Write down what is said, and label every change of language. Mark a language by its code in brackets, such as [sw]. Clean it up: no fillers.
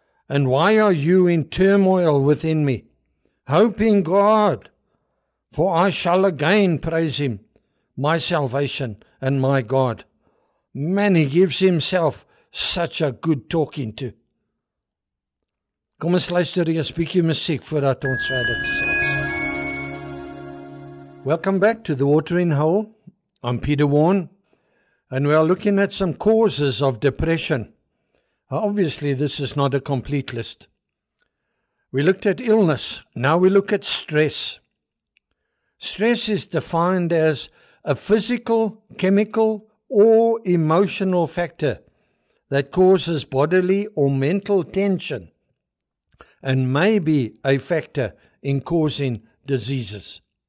[en] And why are you in turmoil within me? Hope in God, for I shall again praise him, my salvation and my God. Man, he gives himself such a good talking to. [af] Kom ons luister eers 'n bietjie musiek voordat ons verder gesels. [en] Welcome back to the Watering Hole. I'm Peter Warne, and we are looking at some causes of depression. Obviously, this is not a complete list. We looked at illness. Now we look at stress. Stress is defined as a physical, chemical, or emotional factor that causes bodily or mental tension and may be a factor in causing diseases.